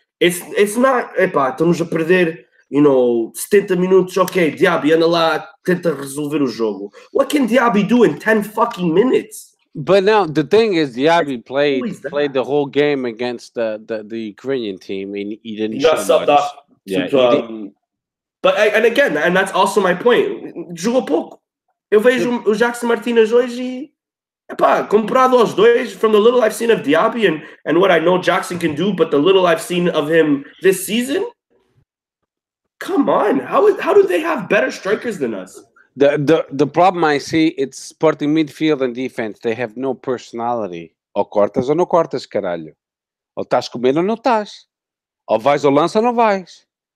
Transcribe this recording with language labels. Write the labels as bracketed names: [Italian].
[Portuguese] It's not, epa, estamos a perder. [English] You know, 70 minutes, okay, [Portuguese] Diaby, anda lá, tenta resolver o jogo. [English] What can Diaby do in 10 fucking minutes? But now, the thing is, Diaby played the whole game against the Ukrainian team, and he didn't show much. And again, and that's also my point. [Portuguese] Jogou pouco. Eu vejo o Jackson Martinez hoje e... [English] Epa, [Portuguese] comparado aos dois, [English] from the little I've seen of Diaby and what I know Jackson can do, but the little I've seen of him this season... Come on, how do they have better strikers than us? The problem I see, it's Sporting midfield and defense. They have no personality. [Portuguese] Ou cortas ou não cortas, caralho. Ou estás comendo ou não estás. Ou vais ou lança ou não vais.